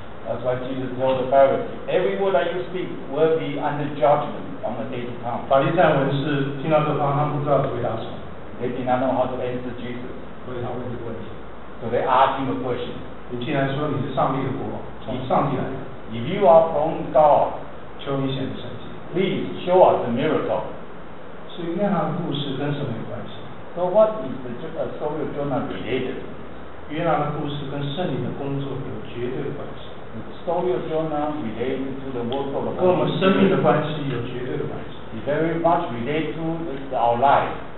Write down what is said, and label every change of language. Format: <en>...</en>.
<en>That's why Jesus told the Pharisees, every word that you speak will be under judgment on the day to come.</en> <zh>法利赛人是听到这话，他不知道回答什么。</zh> <en>They did not know how to answer Jesus.</en> <zh>所以他问这个问题。</zh> <en>So they ask him a question.</en> <zh>你既然说你是上帝的国，从上帝来的。</zh> <en>If you are from God,</en> <zh>求你显神迹。</zh> <en>Please show us a miracle.</en> <zh>所以那样的故事跟什么有关系</zh> <en>？So what is the story of Jonah related?</en> <zh>约拿的故事跟圣灵的工作有绝对的关系。</zh> <en>The story of Jonah related to the work of God.</en> <zh>跟我们生命的关系有绝对的关系。</zh> <en>It very much related to this, our life.</en>